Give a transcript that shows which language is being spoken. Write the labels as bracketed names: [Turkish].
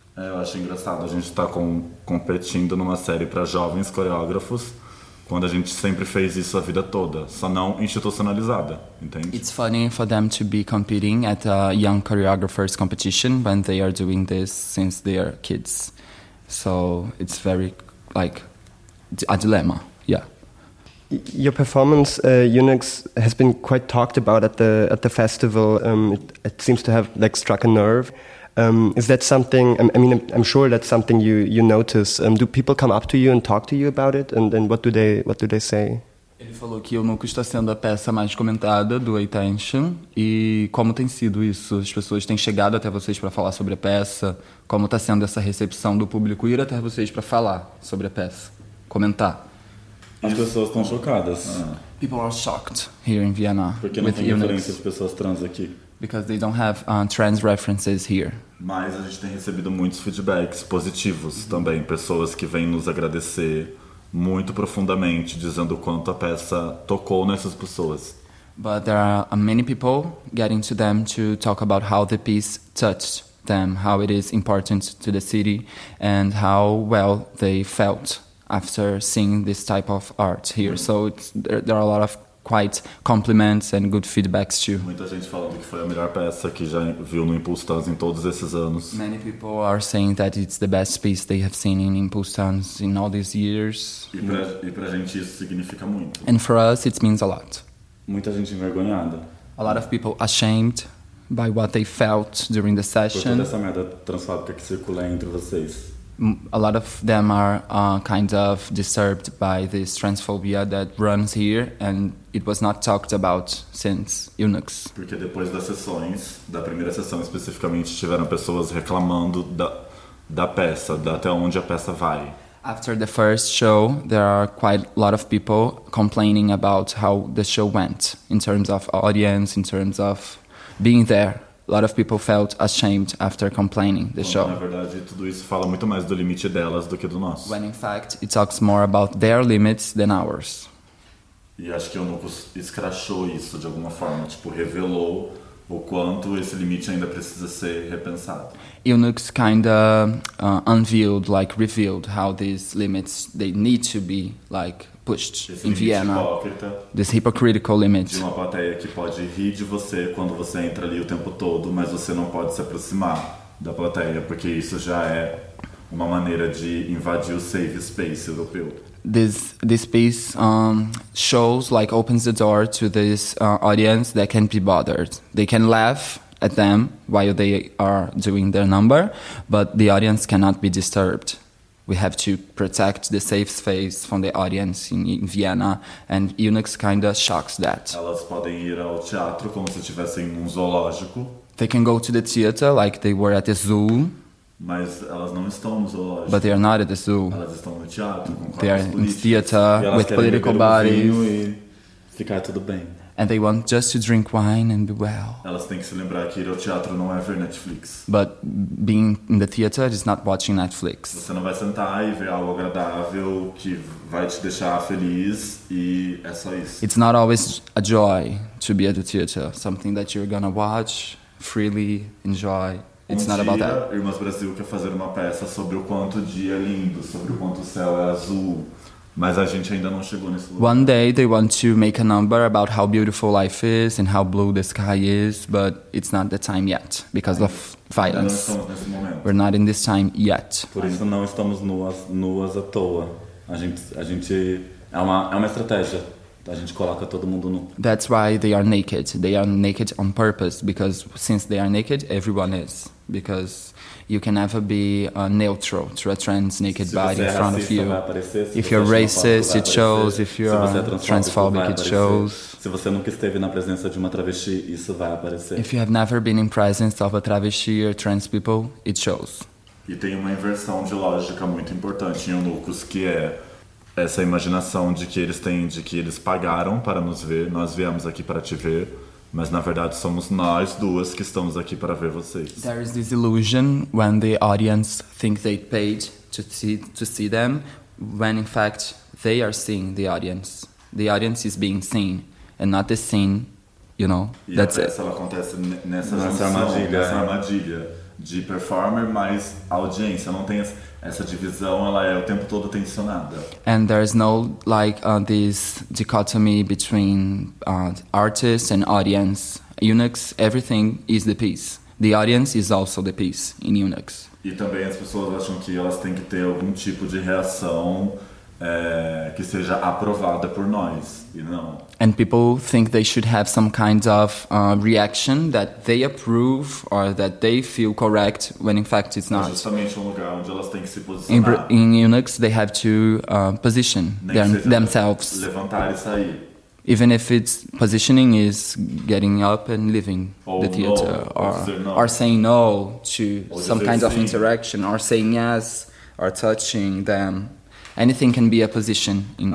[Portuguese] É, eu acho engraçado, a gente tá competindo numa série para jovens coreógrafos, quando a gente sempre fez isso a vida toda, só não institucionalizada, entende? [English] It's funny for them to be competing at a young choreographers competition when they are doing this since they are kids. So it's very, like, a dilemma, yeah. Your performance, Eunucos, has been quite talked about at the festival. It seems to have, like, struck a nerve. Is that something, I'm sure that's something you notice. Do people come up to you and talk to you about it? And then what do they say? [Portuguese] Ele falou que Eunucos está sendo a peça mais comentada do Attention. E como tem sido isso? As pessoas têm chegado até vocês para falar sobre a peça? Como está sendo essa recepção do público ir até vocês para falar sobre a peça? Comentar? As pessoas estão chocadas. [English] People are shocked here in Vienna. [Portuguese] Porque não tem referência de pessoas trans aqui. [English] Because they don't have trans references here. [Portuguese] Mas a gente tem recebido muitos feedbacks positivos também. Pessoas que vêm nos agradecer muito profundamente, dizendo o quanto a peça tocou nessas pessoas. [English] But there are many people getting to them to talk about how the piece touched them, how it is important to the city, and how well they felt after seeing this type of art here. So there are a lot of quite compliments and good feedbacks too. [Portuguese] Muita gente falando que foi a melhor peça que já viu no Impulse Tunes em todos esses anos. [English] Many people are saying that it's the best piece they have seen in Impulse Tunes in all these years. [Portuguese] E pra gente isso significa muito. [English] And for us it means a lot. [Portuguese] Muita gente envergonhada. [English] A lot of people ashamed by what they felt during the session. [Portuguese] Por toda essa merda transfóbica que circula entre vocês. [English] A lot of them are kind of disturbed by this transphobia that runs here, and it was not talked about since Eunuchs. [Portuguese] Porque depois das sessões, da primeira sessão especificamente, tiveram pessoas reclamando da peça, da até onde a peça vai. [English] After the first show, there are quite a lot of people complaining about how the show went, in terms of audience, in terms of being there. A lot of people felt ashamed after complaining the show. [Portuguese] Na verdade, tudo isso fala muito mais do limite delas do que do nosso. [English] When in fact, it talks more about their limits than ours. [Portuguese] E acho que o Nucos escrachou isso de alguma forma, tipo, revelou o quanto esse limite ainda precisa ser repensado. [English] Eunuchs kind of unveiled, like revealed, how these limits, they need to be, like, pushed [Portuguese] esse [English] in Vienna. [Portuguese] Hipócrita, [English] this hypocritical limit. [Portuguese] De uma plateia que pode rir de você quando você entra ali o tempo todo, mas você não pode se aproximar da plateia, porque isso já é uma maneira de invadir o safe space europeu. [English] This piece shows, like, opens the door to this audience that can't be bothered. They can laugh at them while they are doing their number, but the audience cannot be disturbed. We have to protect the safe space from the audience in Vienna, and Eunuchs kind of shocks that. [Portuguese] Elas podem ir ao teatro como se estivessem num zoológico. [English] They can go to the theater like they were at the zoo. [Portuguese] Mas elas não estão no zoológico. [English] But they are not at the zoo. [Portuguese] Elas estão no teatro, com [English] they are [Portuguese] políticos. [English] In theater [Portuguese] e elas [English] with political bodies. [Portuguese] E ficar tudo bem. [English] And they want just to drink wine and be well. [Portuguese] Elas têm que se lembrar que ir ao teatro não é ver Netflix. [English] But being in the theater is not watching Netflix. [Portuguese] Você não vai sentar e ver algo agradável que vai te deixar feliz e é só isso. [English] It's not always a joy to be at the theater. Something that you're gonna watch freely, enjoy. It's [Portuguese] um [English] not [Portuguese] dia, [English] about that. [Portuguese] Irmãs Brasil quer fazer uma peça sobre o quanto o dia é lindo, sobre o quanto o céu é azul, mas a gente ainda não chegou nesse lugar. [English] One day they want to make a number about how beautiful life is and how blue the sky is, but it's not the time yet, because of violence. [Portuguese] Ainda não estamos nesse momento. [English] We're not in this time yet. [Portuguese] Por isso não estamos nuas à toa. A gente é uma estratégia. A gente coloca todo mundo nu. [English] That's why they are naked. They are naked on purpose, because since they are naked, everyone is. Because you can never be neutral to a trans naked body in front of you. If you're racist, it shows. If you're transphobic, it shows. [Portuguese] Se você nunca esteve na presença de uma travesti, isso vai aparecer. [English] If you have never been in presence of a travesti or trans people, it shows. [Portuguese] E tem uma inversão de lógica muito importante em Eunuchs, que é essa imaginação de que eles têm, de que eles pagaram para nos ver, nós viemos aqui para te ver, mas na verdade somos nós duas que estamos aqui para ver vocês. [English] There is this illusion when the audience thinks they paid to see them, when in fact they are seeing the audience. The audience is being seen and not the scene, you know. [Portuguese] E [English] that's [Portuguese] a peça, Ela acontece nessa armadilha de performer mais audiência, não tem essa divisão, ela é o tempo todo tensionada. [English] And there is no, like, this dichotomy between artist and audience. Eunuchs, everything is the piece. The audience is also the piece in Eunuchs. [Portuguese] E também as pessoas acham que elas têm que ter algum tipo de reação que seja aprovada por nós, e não. [English] And people think they should have some kind of reaction that they approve or that they feel correct, when in fact it's not. [Portuguese] É justamente um lugar onde elas têm que se posicionar. [English] In Eunuchs, they have to position themselves. [Portuguese] Levantar e sair. [English] Even if it's positioning is getting up and leaving the theater, or saying no to some kind of interaction, or saying yes, or touching them. Anything can be a position in